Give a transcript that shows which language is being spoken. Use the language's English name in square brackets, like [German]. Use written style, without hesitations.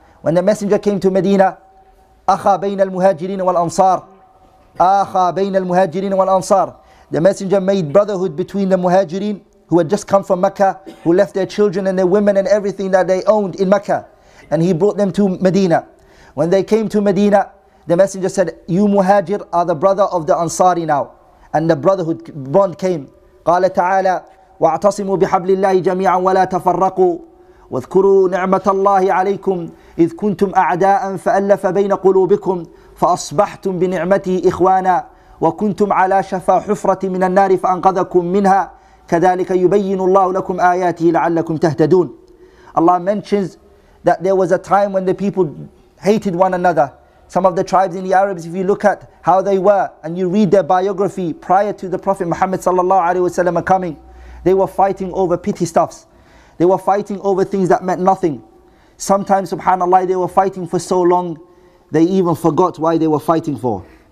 [English] When the messenger came to Medina, [Arabic] أخا بين المهاجرين والأنصار. [English] The messenger made brotherhood between the muhajirin who had just come from Mecca, who left their children and their women and everything that they owned in Mecca, and he brought them to Medina. When they came to Medina, the messenger said, "You muhajir are the brother of the Ansari now," and the brotherhood bond came. [Arabic] قال تعالى واعتصموا بحبل الله جميعا ولا تفرقوا واذكروا نعمة الله عليكم إذ كنتم أعداء فألف بين قلوبكم فأصبحتم بنعمته إخوانا وكنتم على شفا حفرة من النار فأنقذكم منها كذلك يبين الله لكم آياته لعلكم تهتدون. [English] Allah mentions that there was a time when the people hated one another. Some of the tribes in the Arabs, if you look at how they were and you read their biography prior to the Prophet Muhammad sallallahu alaihi wasallam coming, they were fighting over petty stuffs. They were fighting over things that meant nothing. Sometimes, subhanAllah, they were fighting for so long, they even forgot why they were fighting for.